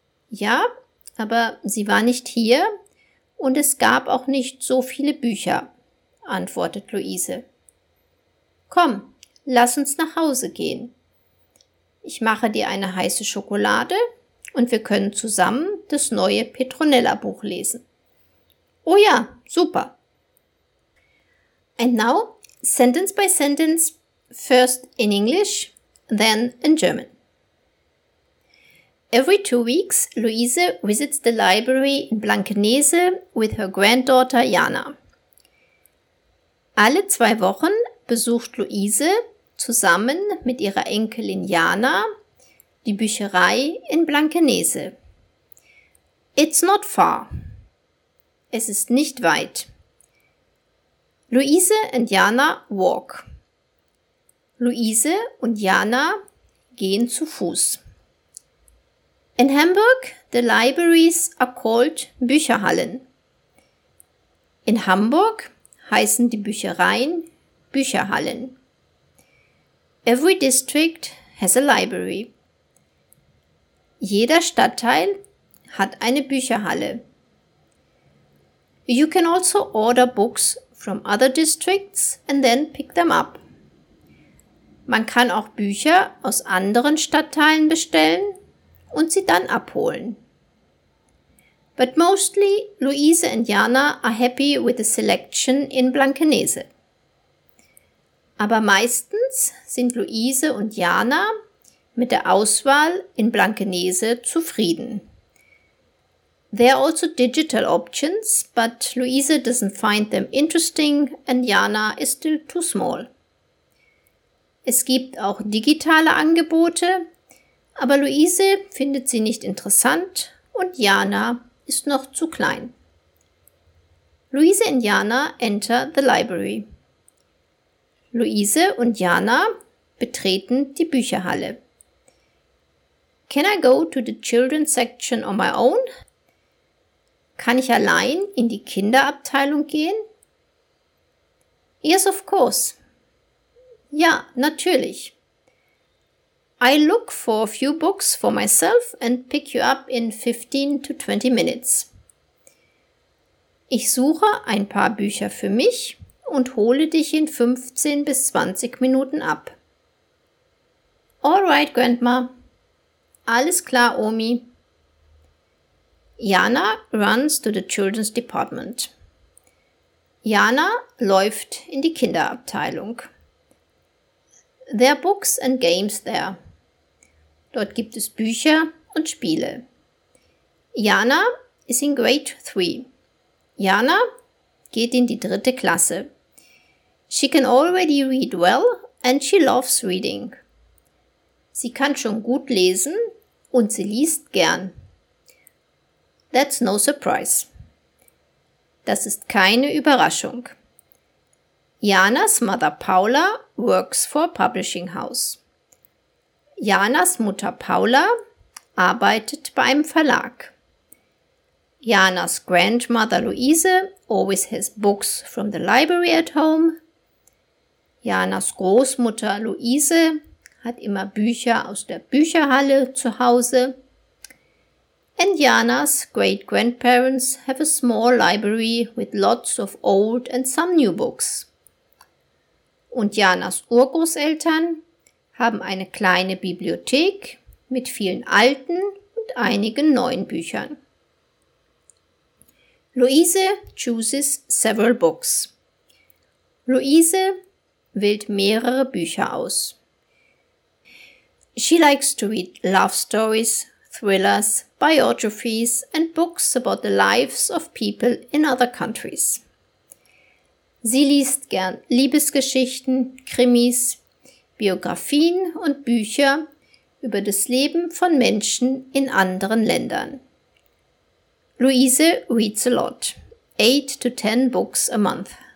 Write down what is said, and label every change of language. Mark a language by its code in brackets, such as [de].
[de] Ja, aber sie war nicht hier und es gab auch nicht so viele Bücher, antwortet Luise. Komm, lass uns nach Hause gehen. Ich mache dir eine heiße Schokolade und wir können zusammen das neue Petronella-Buch lesen. Oh ja, super. [en] And now, sentence by sentence, first in English, then in German. Every 2 weeks, Luise visits the library in Blankenese with her granddaughter Jana. [de] Alle 2 Wochen besucht Luise zusammen mit ihrer Enkelin Jana die Bücherei in Blankenese. [en] It's not far. [de] Es ist nicht weit. [en] Luise und Jana walk. [de] Luise und Jana gehen zu Fuß. [en] In Hamburg, the libraries are called Bücherhallen. [de] In Hamburg heißen die Büchereien Bücherhallen. [en] Every district has a library. [de] Jeder Stadtteil hat eine Bücherhalle. [en] You can also order books from other districts and then pick them up. [de] Man kann auch Bücher aus anderen Stadtteilen bestellen und sie dann abholen. [en] But mostly, Luise and Jana are happy with the selection in Blankenese. [de] Aber meistens sind Luise und Jana mit der Auswahl in Blankenese zufrieden. [en] There are also digital options, but Luise doesn't find them interesting and Jana is still too small. [de] Es gibt auch digitale Angebote, aber Luise findet sie nicht interessant und Jana ist noch zu klein. [en] Luise und Jana enter the library. [de] Luise und Jana betreten die Bücherhalle. [en] Can I go to the children's section on my own? [de] Kann ich allein in die Kinderabteilung gehen? [en] Yes, of course. [de] Ja, natürlich. [en] I look for a few books for myself and pick you up in 15 to 20 minutes. [de] Ich suche ein paar Bücher für mich und hole dich in 15 bis 20 Minuten ab. [en] All right, Grandma. [de] Alles klar, Omi. [en] Jana runs to the children's department. [de] Jana läuft in die Kinderabteilung. [en] There are books and games there. [de] Dort gibt es Bücher und Spiele. [en] Jana is in grade 3. [de] Jana geht in die 3. Klasse. [en] She can already read well and she loves reading. [de] Sie kann schon gut lesen und sie liest gern. [en] That's no surprise. [de] Das ist keine Überraschung. [en] Janas Mutter Paula works for a publishing house. [de] Janas Mutter Paula arbeitet bei einem Verlag. [en] Janas Grandmother Luise always has books from the library at home. [de] Janas Großmutter Luise hat immer Bücher aus der Bücherhalle zu Hause. [en] And Janas great-grandparents have a small library with lots of old and some new books. [de] Und Janas Urgroßeltern haben eine kleine Bibliothek mit vielen alten und einigen neuen Büchern. [en] Luise chooses several books. [de] Luise wählt mehrere Bücher aus. [en] She likes to read love stories, thrillers, biographies and books about the lives of people in other countries. [de] Sie liest gern Liebesgeschichten, Krimis, Biografien und Bücher über das Leben von Menschen in anderen Ländern. [en] Luise reads a lot, 8 to 10 books a month.